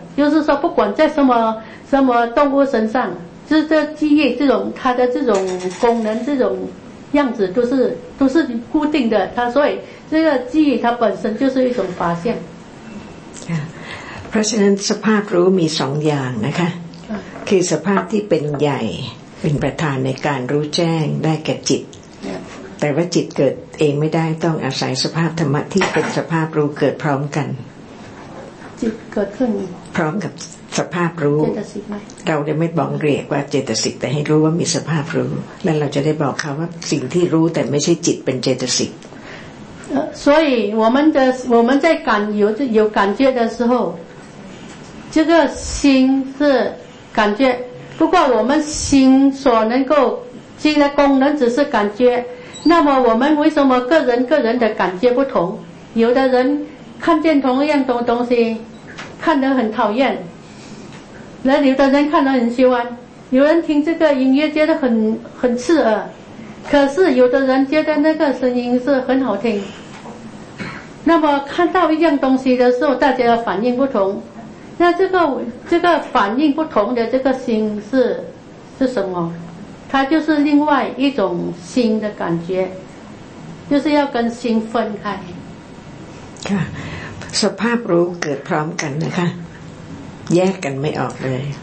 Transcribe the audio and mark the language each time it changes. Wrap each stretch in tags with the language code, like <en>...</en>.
<zh>就是说，不管在什么动物身上，就是这记忆这种它的这种功能这种样子都是固定的。它所以这个记忆它本身就是一种发现。</zh> <th>เพราะฉะนั้นสภาพรู้มีสองอย่างนะคะคือสภาพที่เป็นใหญ่เป็นประธานในการรู้แจ้งได้แก่จิตแต่ว่าจิตเกิดเองไม่ได้ต้องอาศัยสภาพธรรมะที่เป็นสภาพรู้เกิดพร้อมกัน จิตเกิดขึ้น พร้อมกับสภาพรู้ เราจะไม่บอกเรียกว่าเจตสิกแต่ให้รู้ว่ามีสภาพรู้แล้วเราจะได้บอกเขาว่าสิ่งที่รู้แต่ไม่ใช่จิตเป็นเจตสิก</th> <zh>所以我们在感有感觉的时候这个心是感觉，不过我们心所能够尽的功能只是感觉。那么我们为什么个人的感觉不同？有的人看见同样的东西，看得很讨厌；那有的人看得很喜欢；有人听这个音乐觉得很刺耳，可是有的人觉得那个声音是很好听。那么看到一样东西的时候，大家的反应不同。那这个反应不同的这个心是什么？它就是另外一种心的感觉，就是要跟心分开。</zh> <th>ค่ะ สภาพรู้เกิดพร้อมกันนะคะ แยกกันไม่ออกเลย</th>